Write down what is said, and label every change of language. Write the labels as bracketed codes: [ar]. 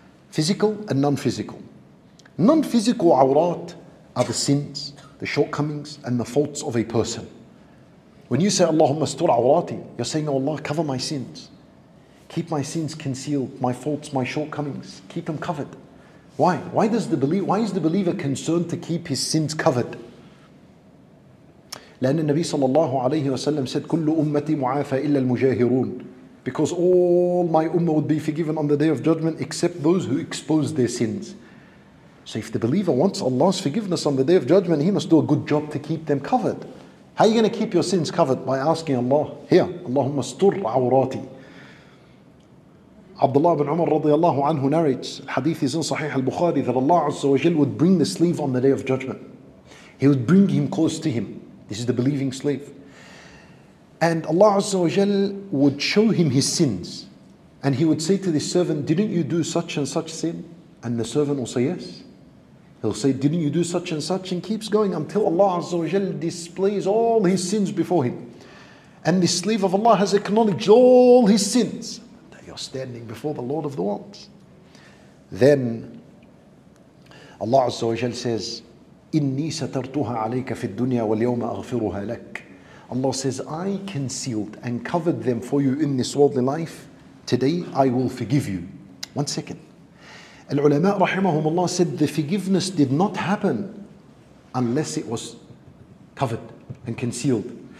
[en] Physical and non-physical. Non-physical awrat are the sins, the shortcomings and the faults of a person. When you say [ar] Allahumma astur awrati, [en] you're saying, oh Allah, cover my sins. Keep my sins concealed, my faults, my shortcomings, keep them covered. Why? Why is the believer concerned to keep his sins covered? [ar] لأن النبي صلى الله عليه وسلم [en] said, [ar] كل أمتي معافى إلا المجاهرون. [en] Because all my ummah would be forgiven on the day of judgment except those who expose their sins. So if the believer wants Allah's forgiveness on the day of judgment, he must do a good job to keep them covered. How are you going to keep your sins covered? By asking Allah, here, [ar] Allahumma astur awrati. [en] Abdullah ibn Umar radiallahu anhu narrates, hadith is in Sahih al-Bukhari, that Allah Azza wa Jal would bring the slave on the day of judgment. He would bring him close to him. This is the believing slave. And Allah Azza wa Jal would show him his sins. And he would say to the servant, didn't you do such and such sin? And the servant will say, yes. He'll say, didn't you do such and such? And keeps going until Allah Azza wa Jal displays all his sins before him. And the slave of Allah has acknowledged all his sins. Standing before the Lord of the worlds. Then Allah Azza wa Jal says, [ar] إِنِّي سَتَرْتُهَا عَلَيْكَ فِي الدُّنْيَا وَالْيَوْمَ أَغْفِرُهَا لَكَ. [en] Allah says, I concealed and covered them for you in this worldly life. Today I will forgive you. One second. [ar] Al-ulama rahimahum Allah [en] said, the forgiveness did not happen unless it was covered and concealed.